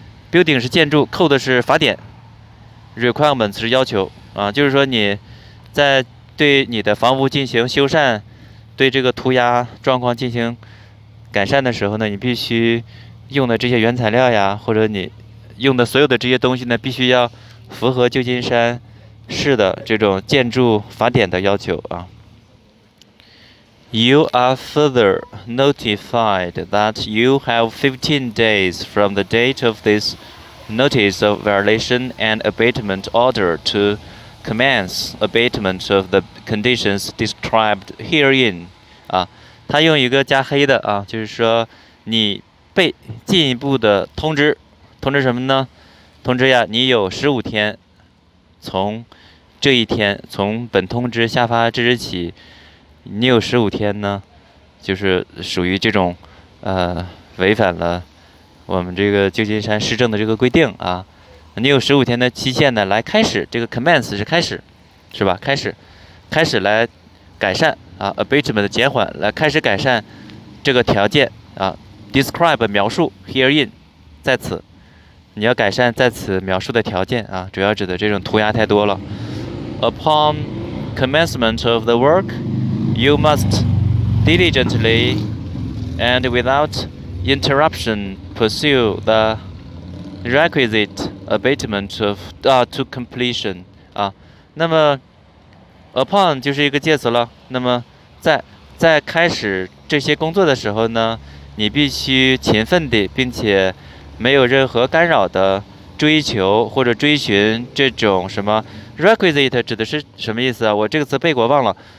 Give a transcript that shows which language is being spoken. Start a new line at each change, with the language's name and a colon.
Chinese: building 是建筑 ，code 是法典 ，requirement 是要求啊，就是说你在对你的房屋进行修缮，对这个涂鸦状况进行改善的时候呢，你必须。用的这些原材料呀，或者你用的所有的这些东西呢，必须要符合旧金山市的这种建筑法典的要求啊。
English: You are further notified that you have 15 days from the date of this notice of violation and abatement order to commence abatement of the conditions described herein 啊。
Chinese: 他用一个加黑的啊，就是说你。被进一步的通知，通知什么呢？通知呀，你有15天，从这一天，从本通知下发之日起，你有15天呢，就是属于这种，违反了我们这个旧金山市政的这个规定啊。你有15天的期限呢，来开始这个 commence 是开始，是吧？开始来改善啊 ，abatement 的减缓，来开始改善这个条件啊。 Describe 描述 herein 在此，你要改善在此描述的条件啊，主要指的这种涂鸦太多了。
English: Upon commencement of the work, you must diligently and without interruption pursue the requisite abatement of to completion 啊。
Chinese: 那么 upon 就是一个介词了。那么在开始这些工作的时候呢？你必须勤奋地，并且没有任何干扰的追求或者追寻这种什么 requisite 指的是什么意思啊？我这个词背过忘了。